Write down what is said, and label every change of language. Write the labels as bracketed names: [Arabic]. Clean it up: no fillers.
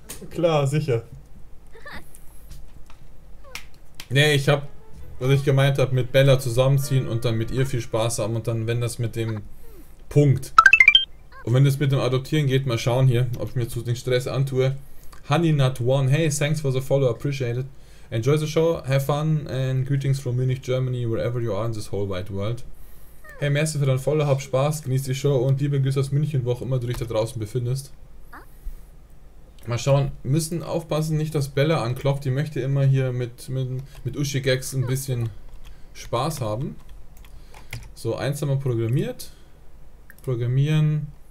[German] Klar, sicher. Nee, ich hab, was ich gemeint habe, mit Bella zusammenziehen und dann mit ihr viel Spaß haben und dann, wenn das mit dem Punkt. Und wenn es mit dem Adoptieren geht, mal schauen hier, ob ich mir zu den Stress antue. [English] Honey Nut One, hey, thanks for the follow, appreciate it. Enjoy the show, have fun and greetings from Munich, Germany, wherever you are in this whole wide world. [German] Hey, merci für dein Follow, hab Spaß, genieß die Show und liebe Grüße aus München, wo auch immer du dich da draußen befindest. Mal schauen, müssen aufpassen, nicht dass Bella anklopft, die möchte immer hier mit Uschi Gags ein bisschen Spaß haben. So, eins haben wir programmiert. Programmieren.